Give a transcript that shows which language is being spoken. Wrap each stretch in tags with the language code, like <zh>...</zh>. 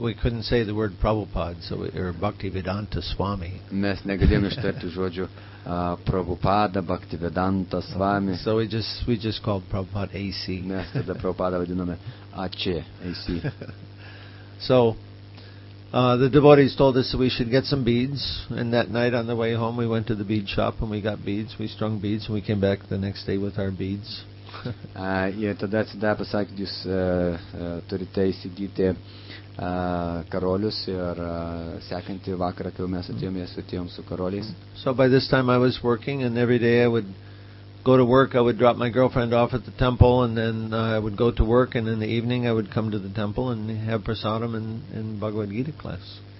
<en>We couldn't say the word Prabhupada, so or Bhaktivedanta Swami.</en> <lt>Mes negalėjom ištarti žodžių Prabhupada, Bhaktivedanta Swami.</lt> <en>So we just called Prabhupada AC.</en> <lt>Mes tada Prabhupada vadinome AC, AC.</lt> <en>So the devotees told us that we should get some beads, and that night on the way home we went to the bead shop and we got beads, we strung beads, and we came back the next day with our beads.</en> <lt>Ir tada atsidavę pasakė, jūs turite įsigyti karolius ir sekantį vakarą, kai mes atėjom su karoliais.</lt> <en>So by this time I was working and every day I would go to work, I would drop my girlfriend off at the temple and then I would go to work and in the evening I would come to the temple and have prasadam and Bhagavad Gita class.</en>